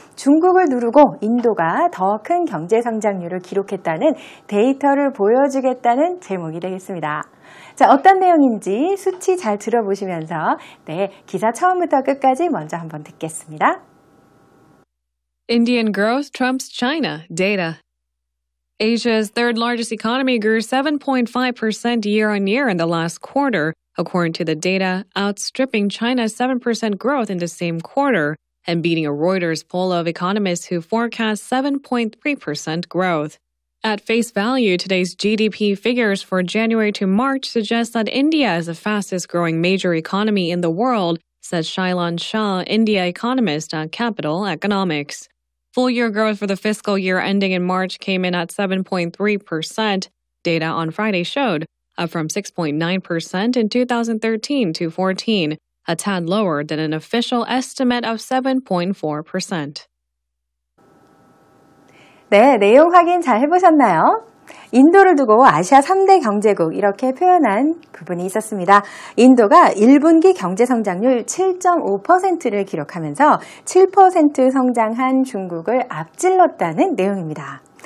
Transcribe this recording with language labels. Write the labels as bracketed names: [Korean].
[Korean] 중국을 누르고 인도가 더 큰 경제 성장률을 기록했다는 데이터를 보여주겠다는 제목이 되겠습니다. 자, 어떤 내용인지 수치 잘 들어보시면서 네, 기사 처음부터 끝까지 먼저 한번 듣겠습니다. [English] Indian growth trumps China, data. Asia's third largest economy grew 7.5% year-on-year in the last quarter, according to the data, outstripping China's 7% growth in the same quarter and beating a Reuters poll of economists who forecast 7.3% growth. At face value, today's GDP figures for January to March suggest that India is the fastest-growing major economy in the world, said Shailan Shah, India economist at Capital Economics. Full-year growth for the fiscal year ending in March came in at 7.3%, data on Friday showed, up from 6.9% in 2013-14, a tad lower than an official estimate of 7.4%. [Korean] 네, 내용 확인 잘 해보셨나요? 인도를 두고 아시아 3대 경제국 이렇게 표현한 부분이 있었습니다. 인도가 1분기 경제 성장률 7.5%를 기록하면서 7% 성장한 중국을 앞질렀다는 내용입니다.